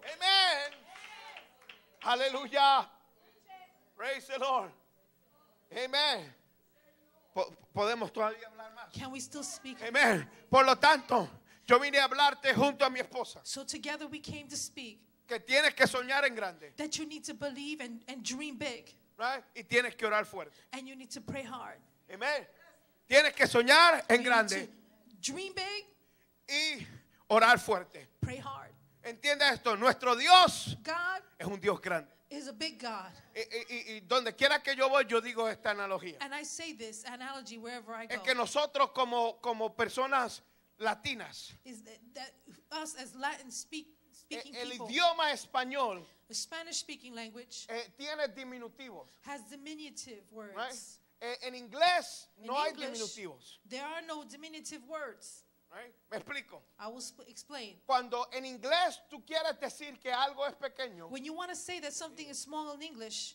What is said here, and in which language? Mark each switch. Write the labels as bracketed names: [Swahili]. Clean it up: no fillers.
[English] Amen. Aleluya. Praise the Lord. Amen. [Spanish] podemos todavía hablar más. [English] Can we still speak? Amen. [Spanish] Por lo tanto, yo vine a hablarte junto a mi esposa. [English] So together we came to speak. [Spanish] Que tienes que soñar en grande. [English] That you need to believe and dream big. Right? [Spanish] Y tienes que orar fuerte. [English] And you need to pray hard. [Spanish] Amen. Tienes que soñar en grande. [English] Dream big. [Spanish] Y orar fuerte. [English] Pray hard. [Spanish] Entienda esto, nuestro Dios [English] God [Spanish] es un Dios grande. [English] Is a big God. [Spanish] Y donde quiera que yo voy, yo digo esta analogía. [English] And I say this analogy wherever I go. [Spanish] Es que nosotros como personas latinas. [English] Is that us as Latin speaking [Spanish] el [English] people, [Spanish] idioma español. [English] The Spanish speaking language. [Spanish] Tiene diminutivos. [English] Has diminutive words. Right? [Spanish] En inglés no hay diminutivos. [English] There are no diminutive words. Right? [Spanish] Me explico. [English] I will explain. [Spanish] Cuando en inglés tú quieres decir que algo es pequeño, [English] when you want to say that something is small in English,